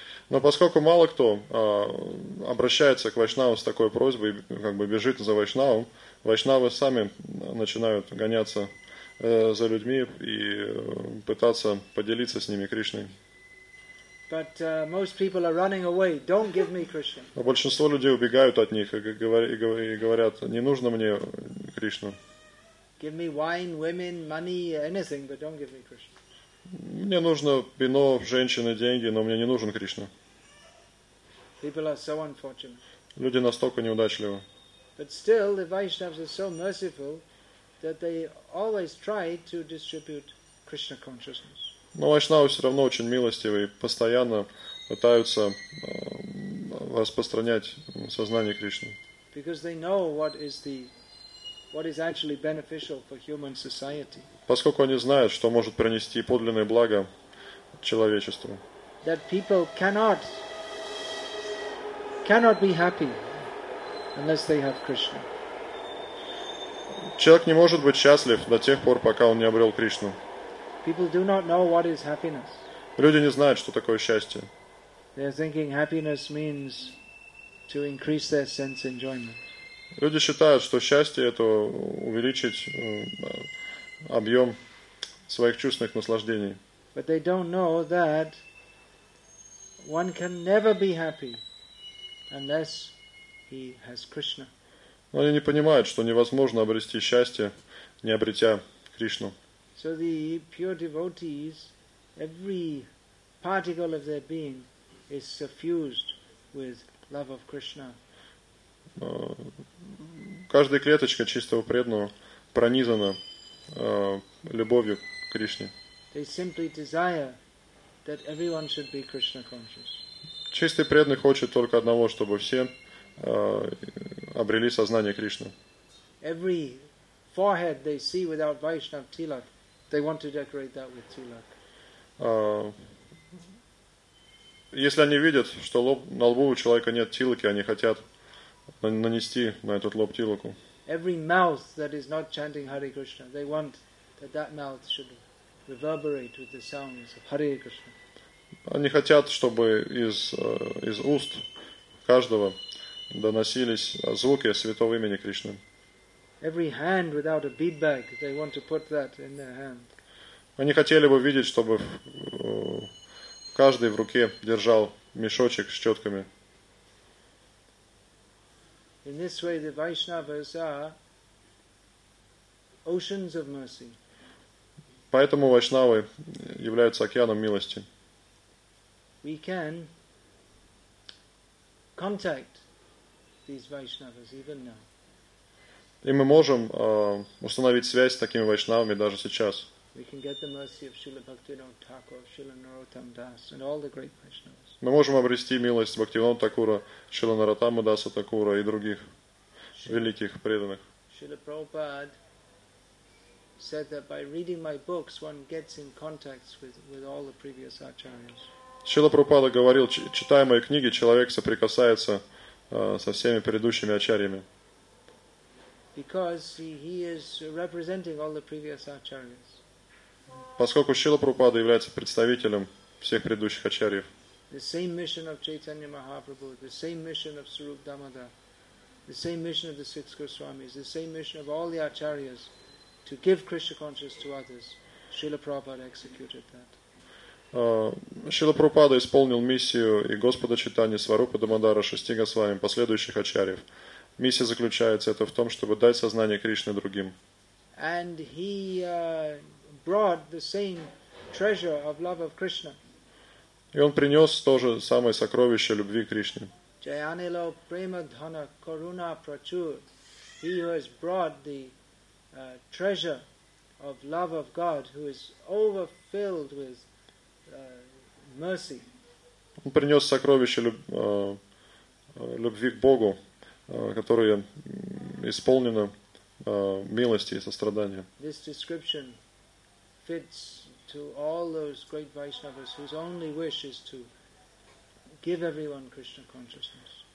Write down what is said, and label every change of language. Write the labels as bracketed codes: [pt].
[ru] Но поскольку мало кто обращается к Вайшнавам с такой просьбой, как бы бежит за Вайшнавом, Вайшнавы сами начинают гоняться за людьми и пытаться поделиться с ними Кришной. [en] But most people are running away. Don't give me Krishna. [ru] Но большинство людей убегают от них и говорят, не нужно мне Кришну. [en] Give me wine, women, money, anything, but don't give me Krishna. [ru] Мне нужно вино, женщины, деньги, но мне не нужен Кришна. [en] People are so unfortunate. [ru] Люди настолько неудачливы. [en] But still, the Vaishnavas are so merciful that they always try to distribute Krishna consciousness. [ru] Но Вайшнавы все равно очень милостивы и постоянно пытаются распространять сознание Кришны. [en] Because they know what is actually beneficial for human society. [ru] Поскольку они знают, что может принести подлинное благо человечеству. [en] That people cannot be happy unless they have Krishna. [ru] Человек не может быть счастлив до тех пор, пока он не обрел Кришну. [en] People do not know what is happiness. [ru] Люди не знают, что такое счастье. [en] They're thinking happiness means to increase their sense enjoyment. [ru] Люди считают, что счастье – это увеличить объем своих чувственных наслаждений. [en] But they don't know that one can never be happy unless he has Krishna. [ru] Но они не понимают, что невозможно обрести счастье, не обретя Кришну. [en] So the pure devotees, every particle of their being is suffused with love of Krishna. [ru] Каждая клеточка чистого преданного пронизана любовью к Кришне. [en] They simply desire that everyone should be Krishna conscious. [ru] Чистый преданный хочет только одного, чтобы все обрели сознание Кришны. [en] Every forehead they see without Vaishnav tilak, they want to decorate that with tilak. [ru] Если они видят, что лоб, на лбу у человека нет тилаки, они хотят нанести на этот лоб тилаку. [en] Every mouth that is not chanting Hare Krishna, they want that that mouth should reverberate with the sounds of Hare Krishna. [ru] Они хотят, чтобы из уст каждого доносились звуки святого имени Кришны. [en] Every hand without a bead bag, they want to put that in their hand. [ru] Они хотели бы видеть, чтобы каждый в руке держал мешочек с четками. [en] In this way, the Vaishnavas are oceans of mercy. [ru] Поэтому вайшнавы являются океаном милости. [en] We can contact these Vaishnavas even now. [ru] И мы можем установить связь с такими вайшнавами даже сейчас. Мы можем обрести милость Бхактивинода Такура, Шрила Наратама Даса Такура и других великих преданных. [en] Шрила Прабхупада said that by reading my books one gets in contact with all the previous acharyas. [ru] Шрила Прабхупада говорил, читая мои книги, человек соприкасается со всеми предыдущими ачарьями. [en] Because he is representing all the previous acharyas. [ru] Поскольку Шрила Прабхупада является представителем всех предыдущих ачарьев. [en] The same mission of Chaitanya Mahaprabhu, the same mission of Swarup Damodar, the same mission of the six Goswamis, the same mission of all the acharyas to give Krishna consciousness to others, Srila Prabhupada executed that. [ru] Шрила Прабхупада исполнил миссию и Господа Чайтаньи, Сварупа Дамодара, шести Госвами, последующих ачарьев. Миссия заключается это в том, чтобы дать сознание Кришны другим. [en] And he brought the same treasure of love of Krishna. [ru] И он принес то же самое сокровище любви Кришны. [bn] Jayanilo prema dhana karuna prachur. [en] He who has brought the treasure of love of God, who is overfilled with mercy. [ru] Он принес сокровище любви к Богу, которое исполнено милости и сострадания. [en] This description fits to all those great Vaishnavas whose only wish is to give everyone Krishna consciousness.